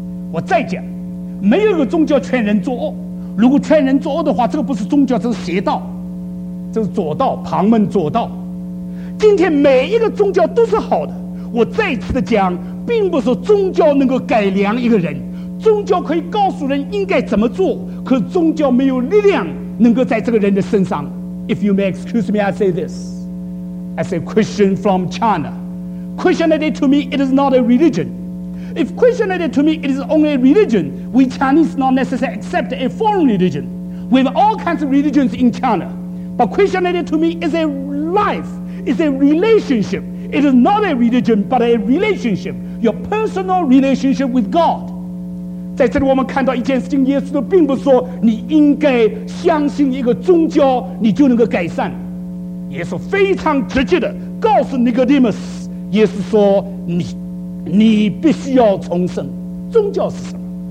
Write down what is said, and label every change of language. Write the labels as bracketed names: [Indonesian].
[Chinese] 我再讲，没有一个宗教劝人作恶，如果劝人作恶的话，这个不是宗教，这是邪道，这是左道，旁门左道。今天每一个宗教都是好的。我再次的讲，并不是宗教能够改良一个人，宗教可以告诉人应该怎么做，可是宗教没有力量能够在这个人的身上。 [English] If you may excuse me, I say this as a Christian from China. Christianity to me, it is not a religion. If Christianity to me, it is only a religion, we Chinese not necessarily accept a foreign religion. We have all kinds of religions in China. But Christianity to me is a life, is a relationship. It is not a religion, but a relationship. Your personal relationship with God. [Chinese] 在这里我们看到一件事情，耶稣的并不是说你应该相信一个宗教你就能够改善。耶稣非常直接的告诉尼哥底母斯，耶稣说你必须要重生。宗教是什么？